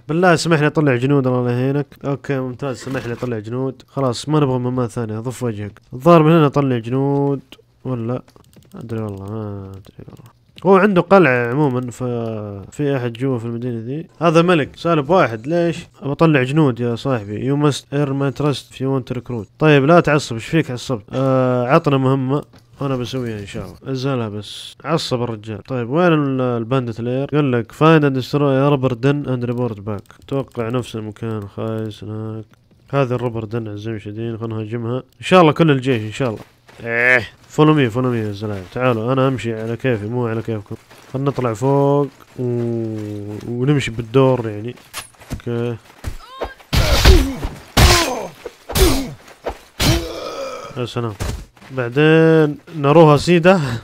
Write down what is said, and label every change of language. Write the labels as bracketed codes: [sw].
[ar] بالله سمح لي اطلع جنود، الله يهينك. اوكي ممتاز، سمح لي اطلع جنود، خلاص ما نبغى مهمات ثانية، ضف وجهك. الظاهر من هنا اطلع جنود ولا ادري والله، ما ادري والله. هو عنده قلعة عموما، ففي احد جوا في المدينة ذي. هذا ملك سالب واحد، ليش؟ بطلع جنود يا صاحبي. [en] You must earn my trust if you want to recruit. [ar] طيب لا تعصب، ايش فيك عصبت؟ عطنا مهمة انا بسويها ان شاء الله. ازالها بس، عصب الرجال. طيب وين الباندت لير؟ قال لك [en] find and destroy rubber den and report back. [ar] توقع نفس المكان خايس هناك. هذه الربر دن عزيزي شديد، خلنا نهاجمها ان شاء الله. كل الجيش ان شاء الله. ايه فولو مي، فولو مي يا زلايب، تعالوا انا امشي على كيفي مو على كيفكم. خلنا نطلع فوق ونمشي بالدور يعني. اوكي يا سلام، بعدين نروها سيدة.